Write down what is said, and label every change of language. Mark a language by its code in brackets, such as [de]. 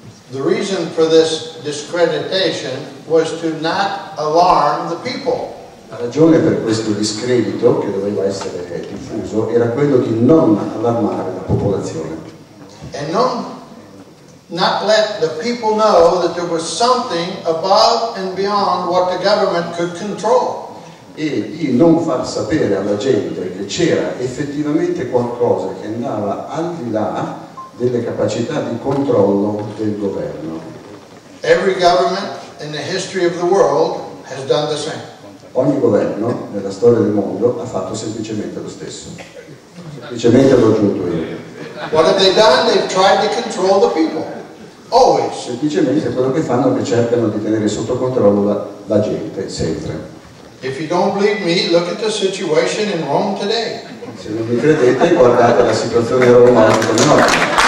[en] The reason for this discreditation was to not alarm the people. [it] La ragione per questo discredito che doveva essere diffuso era quello di non allarmare la popolazione. [en] And not let the people know that there was something above and beyond what the government could control. [it] E di non far sapere alla gente che c'era effettivamente qualcosa che andava al di là delle capacità di controllo del governo. [en] Every government in the history of the world has done the same. [it] Ogni governo nella storia del mondo ha fatto semplicemente lo stesso. Semplicemente l'ho aggiunto io. [en] What have they done? They've tried to control the people. Always. [it] Semplicemente quello che fanno è che cercano di tenere sotto controllo la gente, sempre. [en] If you don't believe me, look at the situation in Rome today. [it] Se non mi credete, guardate la situazione a Roma oggi.